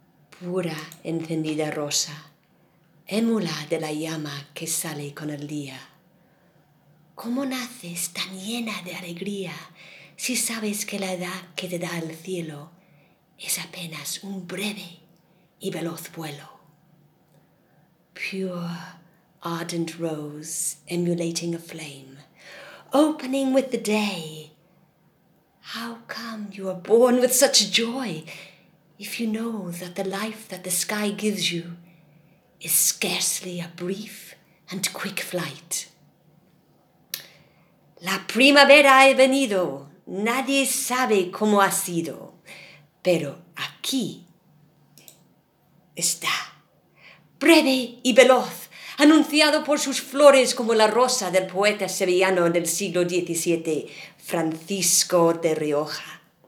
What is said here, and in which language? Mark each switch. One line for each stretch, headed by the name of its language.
Spanish: Pura encendida rosa, émula de la llama que sale con el día. ¿Cómo naces tan llena de alegría si sabes que la edad que te da el cielo es apenas un breve y veloz vuelo?
English: Pure ardent rose, emulating a flame, opening with the day. How come you are born with such joy if you know that the life that the sky gives you is scarcely a brief and quick flight?
Spanish: La primavera ha venido, nadie sabe cómo ha sido, pero aquí está, breve y veloz, anunciado por sus flores como la rosa del poeta sevillano del siglo XVII, Francisco de Rioja.